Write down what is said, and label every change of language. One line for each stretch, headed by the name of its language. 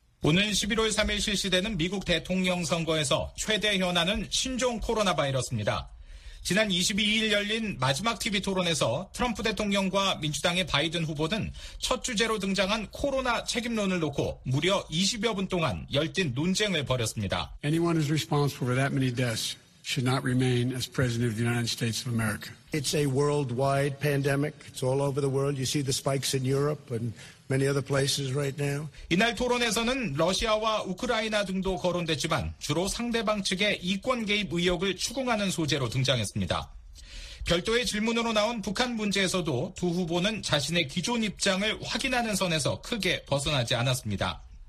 Korean: 오는 11월 3일 실시되는 미국 대통령 선거에서 최대 현안은 신종 코로나 바이러스입니다. 지난 22일 열린 마지막 TV 토론에서 트럼프 대통령과 민주당의 바이든 후보는 첫 주제로 등장한 코로나 책임론을 놓고 무려 20여 분 동안 열띤 논쟁을 벌였습니다.
English: Anyone who's responsible for that many deaths should not remain as president of the United States of America. It's a worldwide pandemic. It's all over the world. You see the spikes in Europe and many other places right now.
Korean: 이날 토론에서는 러시아와 우크라이나 등도 거론됐지만 주로 상대방 측의 이권 개입 의혹을 추궁하는 소재로 등장했습니다. 별도의 질문으로 나온 북한 문제에서도 두 후보는 자신의 기존 입장을 확인하는 선에서 크게 벗어나지 않았습니다.